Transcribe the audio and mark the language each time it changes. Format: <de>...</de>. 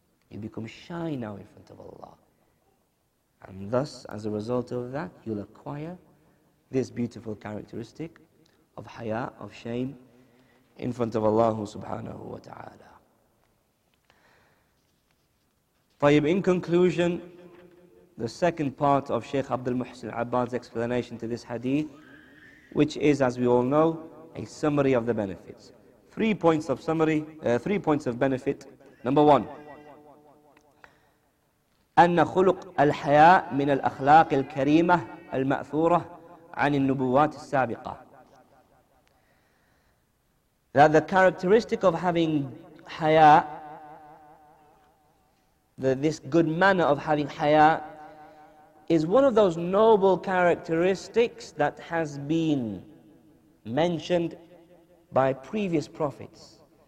<en>You'll become shy now in front of Allah. And thus, as a result of that, you'll acquire this beautiful characteristic of haya, of shame, in front of Allah subhanahu wa ta'ala. Tayyib, in conclusion, the second part of Shaykh Abdul Muhsin Abbad's explanation to this hadith, which is, as we all know, a summary of the benefits. Three points of benefit. Number one,</en> <ar>أن خلق الحياء من الأخلاق الكريمة المأثورة عن النبوات السابقة.</ar> <en>That the characteristic of having haya, this good manner of having haya, is one of those noble characteristics that has been mentioned by previous prophets.</en>